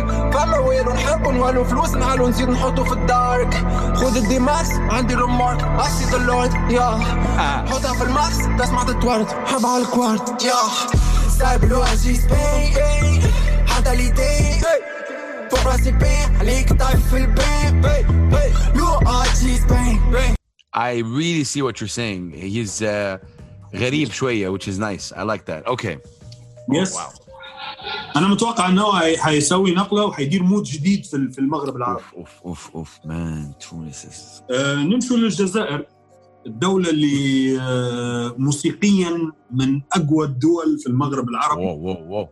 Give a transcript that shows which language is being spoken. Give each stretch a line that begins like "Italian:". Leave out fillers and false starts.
Arabic: فما وين نحب ونوالو فلوس نعالو نزيد نحطو في الدارك خود الديماكس عندي رمارك أسي ذا لورد يا حطها في الماكس تسمع تتورد حب على الكوارد يا سايب لو عزيز بي حتى لي دي فوق راسي بي عليك طايف في البي لو عزيز بي.
English: I really see what you're saying. He's
Arabic: غريب شوية
English: which is nice. I like that. Okay. Yes. Oh, wow.
Arabic: أنا متوقع أنه حيسوي نقلة وحيدير مود جديد في المغرب العربي. أوف أوف أوف مان تونس. نمشي للجزائر الدولة اللي موسيقيا من أقوى الدول في المغرب العربي. واو واو واو.